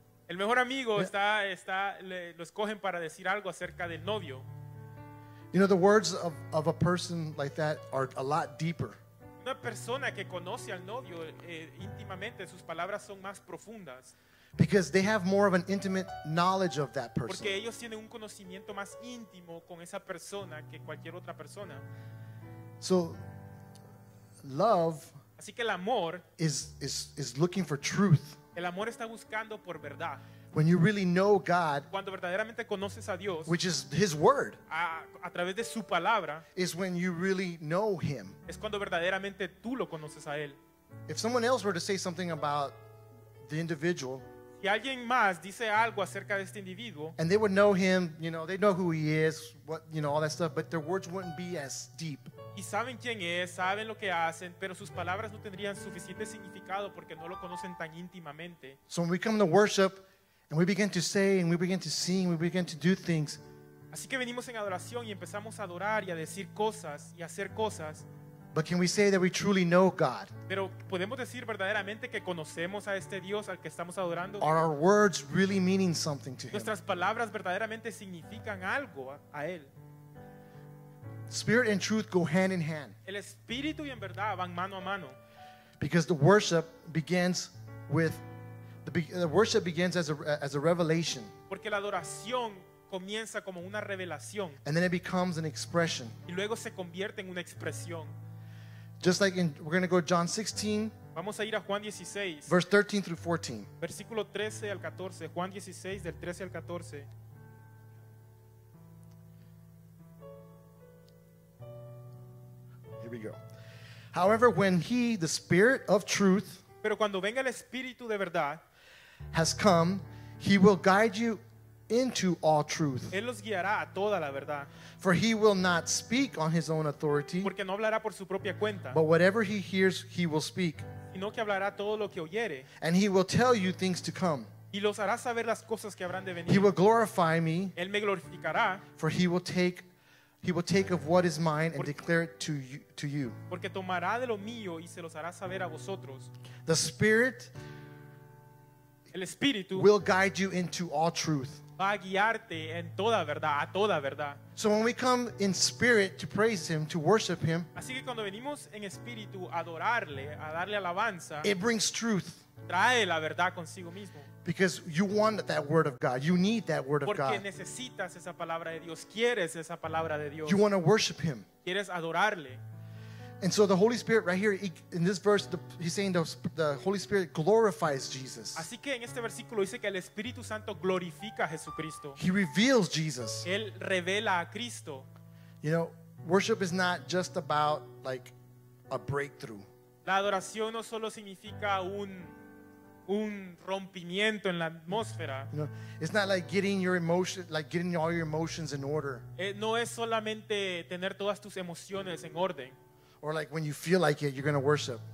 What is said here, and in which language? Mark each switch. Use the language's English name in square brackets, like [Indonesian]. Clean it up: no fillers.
[Spanish] El mejor amigo lo escogen para decir algo acerca del novio. [English] You know, the words of a person like that are a lot deeper. [Spanish] Una persona que conoce al novio íntimamente, sus palabras son más profundas. [English] Because they have more of an intimate knowledge of that person. [Spanish] Porque ellos tienen un conocimiento más íntimo con esa persona que cualquier otra persona. [English] So, love. [Spanish] Así que el amor [English] is looking for truth. [Spanish] El amor está buscando por verdad. [English] When you really know God, [Spanish] cuando verdaderamente conoces a Dios, [English] which is His word, [Spanish] a través de su palabra, [English] is when you really know Him. [Spanish] Es cuando verdaderamente tú lo conoces a Él. [English] If someone else were to say something about the individual, [Spanish] si alguien más dice algo acerca de este individuo, [English] and they would know him, you know, they know who he is, what, you know, all that stuff, but their words wouldn't be as deep. [Spanish] Y saben quién es, saben lo que hacen, pero sus palabras no tendrían suficiente significado porque no lo conocen tan íntimamente. [English] So when we come to worship and we begin to say and we begin to sing, we begin to do things. [Spanish] Así que venimos en adoración y empezamos a adorar y a decir cosas y a hacer cosas. [English] But can we say that we truly know God? [Spanish] Pero podemos decir verdaderamente que conocemos a este Dios al que estamos adorando. [English] Are our words really meaning something to Him? [Spanish] Nuestras palabras verdaderamente significan algo a Él. [English] Spirit and truth go hand in hand. [Spanish] El espíritu y en verdad van mano a mano. [English] Because the worship begins with the worship begins as a revelation. [Spanish] Porque la adoración comienza como una revelación. [English] And then it becomes an expression. [Spanish] Y luego se convierte en una expresión. [English] Just like in, we're going to go John 16. [Spanish] Vamos a ir a Juan 16. [English] Verse 13 through 14. [Spanish] Versículo 13 al 14. Juan 16 del 13 al 14. [English] we go. However, when he, the Spirit of truth, [Spanish] pero cuando venga el Espíritu de verdad, [English] has come, he will guide you into all truth. [Spanish] Él los guiará a toda la verdad. [English] For he will not speak on his own authority, [Spanish] porque no hablará por su propia cuenta, [English] but whatever he hears, he will speak. [Spanish] Sino que hablará todo lo que oyere. [English] And he will tell you things to come. [Spanish] Y los hará saber las cosas que habrán de venir. [English] He will glorify me, [Spanish] él me glorificará, [English] for he will take of what is mine and declare it to you. [Spanish] Porque tomará de lo mío y se los hará saber a vosotros. [English] The Spirit, [Spanish] el Espíritu, [English] will guide you into all truth. [Spanish] Va a guiarte en toda verdad, a toda verdad. [English] So when we come in spirit to praise him, to worship him, [Spanish] así que cuando venimos en espíritu a adorarle, a darle alabanza, [English] it brings truth. [Spanish] Trae la verdad consigo mismo. [English] Because you want that word of God. You need that word of [Spanish] porque [English] God. [Spanish] Porque necesitas esa palabra de Dios. Quieres esa palabra de Dios. [English] You want to worship him. [Spanish] Quieres adorarle. [English] And so the Holy Spirit right here, in this verse, he's saying the Holy Spirit glorifies Jesus. [Spanish] Así que en este versículo dice que el Espíritu Santo glorifica a Jesucristo. [English] He reveals Jesus. [Spanish] Él revela a Cristo. [English] You know, worship is not just about like a breakthrough. [Spanish] La adoración no solo significa un rompimiento en la atmósfera. [English] You know, it's not like getting your emotions, like getting all your emotions in order. [Spanish] No es solamente tener todas tus emociones en orden. [English] Or like when you feel like it, you're going to worship.